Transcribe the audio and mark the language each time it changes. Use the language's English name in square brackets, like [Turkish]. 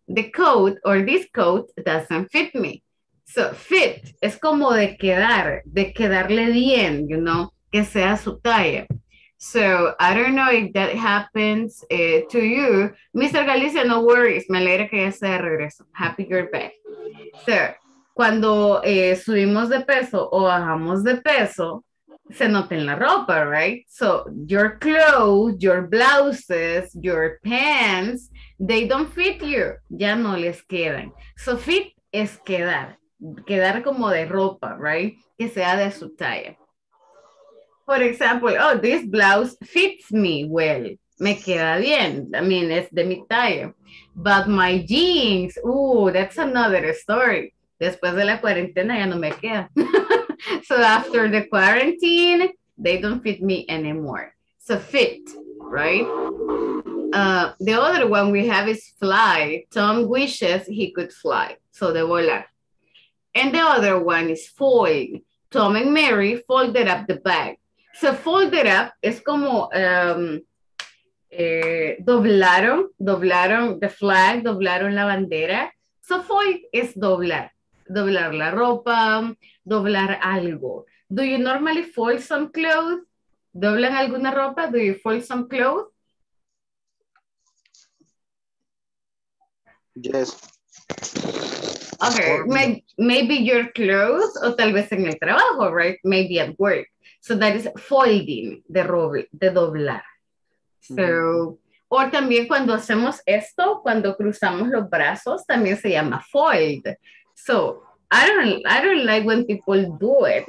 [English] The coat or this coat doesn't fit me. So fit [Spanish] es como de quedarle bien, [English] you know, [Spanish] que sea su talla. [English] So I don't know if that happens to you. [Spanish] Mr. Galicia, [English] no worries, [Spanish] me alegra que ya sea de regreso. [English] Happy you're back. [Spanish] So, cuando subimos de peso o bajamos de peso, se nota en la ropa, right? [English] So, your clothes, your blouses, your pants, they don't fit you. [Spanish] Ya no les quedan. So, fit es quedar. Quedar como de ropa, right? Que sea de su talla. [English] For example, oh, this blouse fits me well. [Spanish] Me queda bien. [English] I mean, [Spanish] es de mi talla. [English] But my jeans, that's another story. [Spanish] Después de la cuarentena ya no me queda. [English] So after the quarantine, they don't fit me anymore. So fit, right? The other one we have is fly. Tom wishes he could fly. So [Spanish] de volar. [English] And the other one is fold. Tom and Mary folded up the bag. So folded up [Spanish] es como doblaron [English] the flag, [Spanish] doblaron la bandera. So fold es doblar. Doblar la ropa, doblar algo. [English] Do you normally fold some clothes? [Spanish] ¿Doblan alguna ropa? [English] Do you fold some clothes? Yes. Okay, maybe your clothes, [Spanish] o tal vez en el trabajo, [English] right? Maybe at work. So that is folding, [Spanish] de doblar. Or también cuando hacemos esto, cuando cruzamos los brazos, también se llama fold. [English] So, I don't like when people do it.